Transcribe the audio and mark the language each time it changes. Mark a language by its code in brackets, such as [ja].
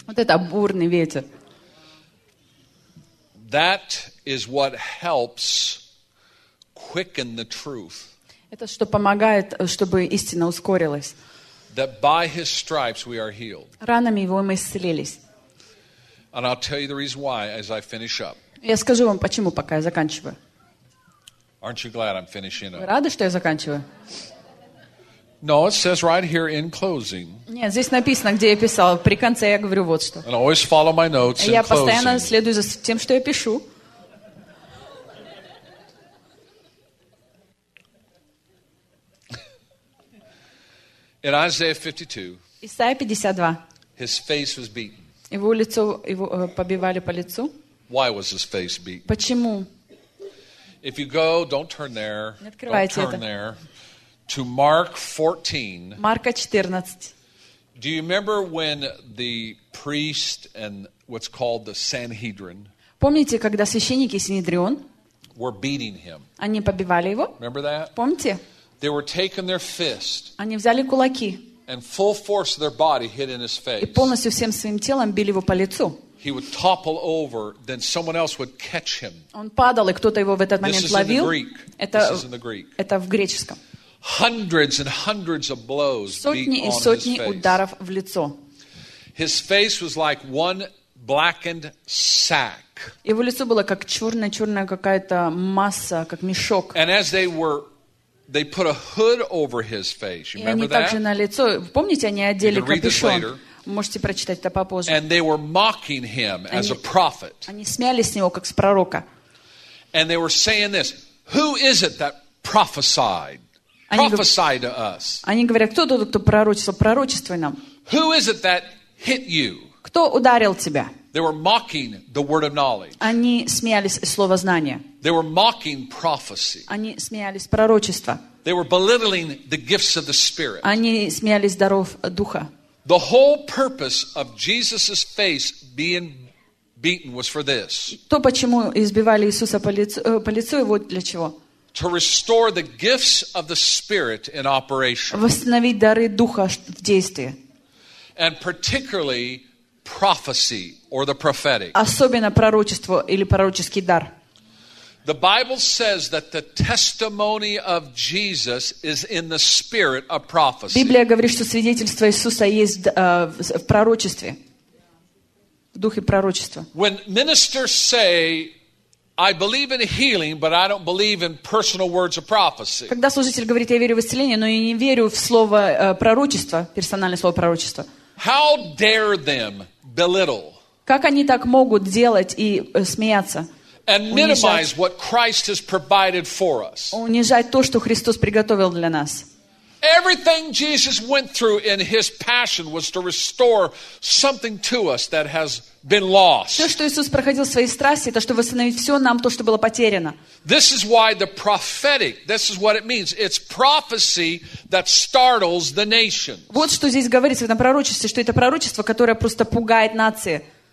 [ru] Вот это бурный ветер. [en] That is what helps quicken the truth. [ru] Это что помогает, чтобы истина ускорилась. [en] That by his stripes we are healed. [ru] Ранами его мы исцелились. [en] And I'll tell you the reason why as I finish up. [ru] Я скажу вам почему, пока я заканчиваю. [en] Aren't you glad I'm finishing up? [ru] Вы рады, что я заканчиваю? [en] No, it says right here in closing. [ru] Нет, здесь написано, где я писал. При конце я говорю вот что. [en] And I always follow my notes in closing. [ru] Я постоянно следую за тем, что я пишу. [en] In Isaiah 52. [ru] Исайя 52. [en] His face was beaten. [ru] Его побивали по лицу. [en] Why was his face beaten? [ru] Почему? [en] If you go, don't turn there. [ru] Не открывайте это. [en] Don't turn there. To Mark 14. [ru] Марка 14. [en] Do you remember when the priest and what's called the Sanhedrin? [ru] Помните, когда священники Синедрион? [en] Were beating him. [ru] Они побивали его. [en] Remember that? [ru] Помните? [en] They were taking their fist. [ru] Они взяли кулаки. [en] And full force of their body hit in his face. [ru] И полностью всем своим телом били его по лицу. [en] He would topple over, then someone else would catch him. [ru] Он падал, и кто-то его в этот момент ловил. [en] This is in the Greek. [ru] Это в греческом. [en] Hundreds and hundreds of blows beat on his face. [ru] Сотни и сотни ударов в лицо. [en] His face was like one blackened sack. [ru] Его лицо было как черная какая-то масса, как мешок. [en] And as they put a hood over his face. You remember that? [ru] И они также на лицо. Помните, они одели капюшон. Можете прочитать это попозже. [en] And they were mocking him as a prophet. [ru] Они смеялись с него как с пророка. [en] And they were saying this: Who is it that prophesied? Prophesy to us. [ru] Они говорят, кто тот, кто пророчествовал? Пророчествуй нам. [en] Who is it that hit you? [ru] Кто ударил тебя? [en] They were mocking the word of knowledge. [ru] Они смеялись из слова знания. [en] They were mocking prophecy. [ru] Они смеялись пророчества. [en] They were belittling the gifts of the Spirit. [ru] Они смеялись даров духа. [en] The whole purpose of Jesus' face being beaten was for this. [ru] То, почему избивали Иисуса по лицу, вот для чего. [en] To restore the gifts of the Spirit in operation. [ru] Восстановить дары духа в действии. [en] And particularly prophecy or the prophetic. [ru] Особенно пророчество или пророческий дар. [en] The Bible says that the testimony of Jesus is in the spirit of prophecy. [ru] Библия говорит, что свидетельство Иисуса есть в пророчестве, в духе пророчества. [en] When ministers say, "I believe in healing, but I don't believe in personal words of prophecy." [ru] Когда служитель говорит, я верю в исцеление, но я не верю в слово пророчества, персональное слово пророчества. [en] How dare them belittle? [ru] Как они так могут делать и смеяться? [en] And minimize what Christ has provided for us. [ru] Унижать то, что Христос приготовил для нас. [en] Everything Jesus went through in His passion was to restore something to us that has been lost. [ru] Все, что Иисус проходил в своей страсти, это чтобы восстановить все нам то, что было потеряно. [en] This is why the prophetic. This is what it means. It's prophecy that startles the nation. [ru] Вот что здесь говорится в этом пророчестве, что это пророчество, которое просто пугает нации.